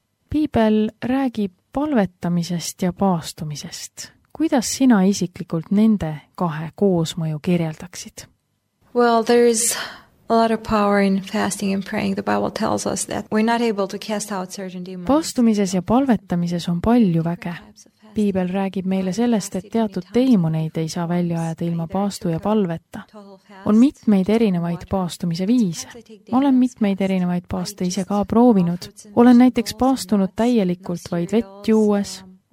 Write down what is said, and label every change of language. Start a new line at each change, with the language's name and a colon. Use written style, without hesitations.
Estonian: Piibel räägib palvetamisest ja paastumisest. Kuidas sina isiklikult nende kahe koosmõju kirjeldaksid?
English: Well, there is a lot of power in fasting and praying. The Bible tells us that we're not able to cast out certain demons.
Estonian: Paastumises ja palvetamises on palju väge. Piibel räägib meile sellest, et teatud teimoneid ei saa välja ajada ilma paastu ja palveta. On mitmeid erinevaid paastumise viise. Ma olen mitmeid erinevaid paaste ise ka proovinud. Olen näiteks paastunud täielikult vaid vett juues.